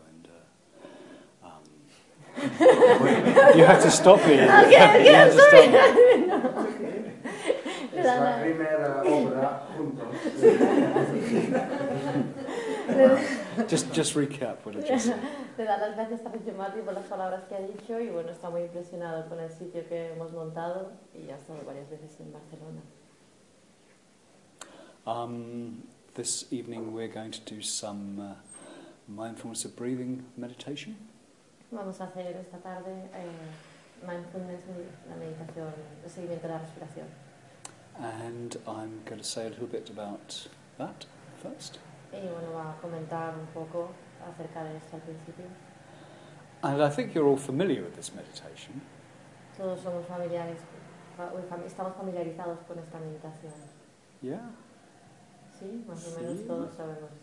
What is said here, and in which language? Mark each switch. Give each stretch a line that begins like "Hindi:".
English: And you have to stop me. Okay, I'm sorry. Stop me. just recap what I just said.
Spanish: Te da las gracias a Rajumati por las palabras que ha dicho y bueno, está muy impresionado con el sitio que hemos montado y ha estado varias veces en Barcelona.
English: This evening we're going to do some mindfulness of breathing meditation.
Spanish: Vamos a hacer esta tarde mindfulness, la meditación, el seguimiento de la respiración.
English: And I'm going to say a little bit about that first.
Spanish: Y bueno, va a comentar un poco acerca de esto al principio.
English: And I think you're all familiar with this meditation.
Spanish: Todos somos familiares, estamos familiarizados con esta meditación.
English: Yeah.
Spanish: Sí, más o menos todos sabemos.